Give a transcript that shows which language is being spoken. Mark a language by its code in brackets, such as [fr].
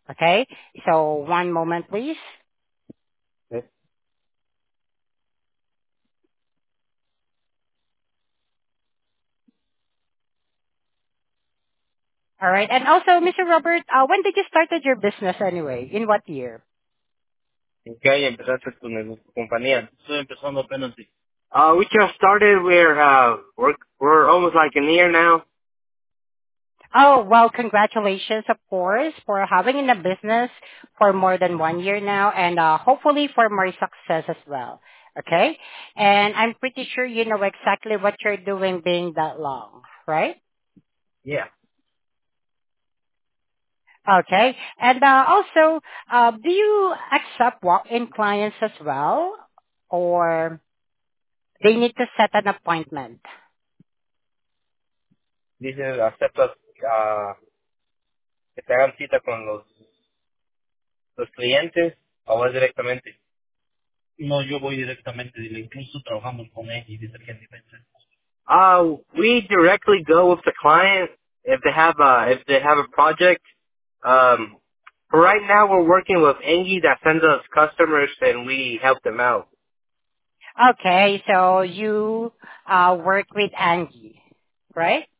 [en] Okay, so one moment, please. All right, and also, Mr. Robert, when did you started your business anyway? In what year? [es] ¿En qué año empezaste tu compañía? Estoy empezando apenas. [en] We just started. We're almost like a year now. Oh, well, congratulations, of course, for having in the business for more than 1 year now, and hopefully for more success as well, okay? And I'm pretty sure you know exactly what you're doing being that long, right? Yeah. Okay. And also, do you accept walk-in clients as well, or they need to set an appointment? This is accepted. [es] Que te hagan cita con los clientes o vas directamente. No, yo voy directamente. Incluso trabajamos con ellos independientemente. [en] We directly go with the client if they have a project. Right now we're working with Engie that sends us customers and we help them out. Okay, so you work with Engie, right?